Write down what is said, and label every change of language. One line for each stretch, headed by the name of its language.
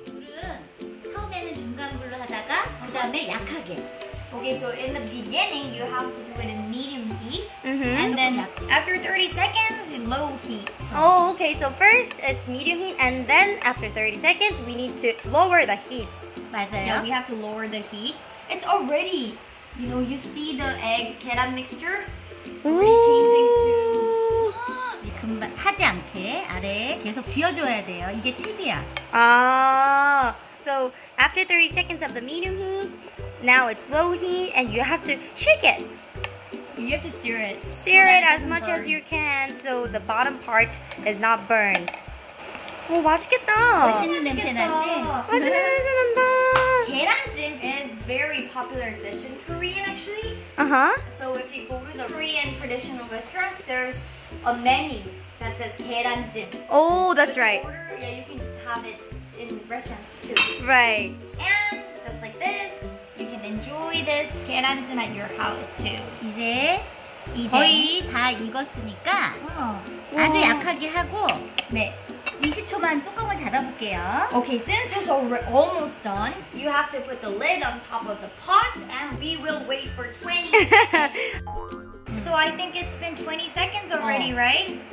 Korean: 불은 처음에는 중간 불로 하다가 그다음에 약하게.
English: Okay, so in the beginning you have to do it in medium heat, mm-hmm. and then after 30 seconds low heat. Oh, okay. So first it's medium heat, and then after 30 seconds we need to lower the heat.
Korean: 맞아요.
English: Yeah, we have to lower the heat. It's already, you know, you see the egg 계란 mixture already changing to.
Korean: 하지 않게 아래에 계속 지어줘야 돼요. 이게 팁이야.
English: Ah, so after 30 seconds of the medium heat, now it's low heat and you have to shake it. You have to stir it. Stir it as much as you can so the bottom part is not burned.
Korean: 오, 맛있겠다. 맛있는 냄새 나지? 맛있는 냄새 난다.
English: 계란찜 is very popular dish in Korean actually. Uh-huh. So if you go to the Korean traditional restaurant, there's a menu that says 계란찜. Oh, that's right. Order, yeah, you can have it in restaurants too. Right. And just like this, you can enjoy this 계란찜 at your house too.
Korean: 이제 거의 다 익었으니까
English: wow.
Korean: 아주 약하게 하고 네. 20초만 뚜껑을 닫아볼게요.
English: Okay, since it's almost done, you have to put the lid on top of the pot and we will wait for 20 seconds. So I think it's been 20 seconds already, right?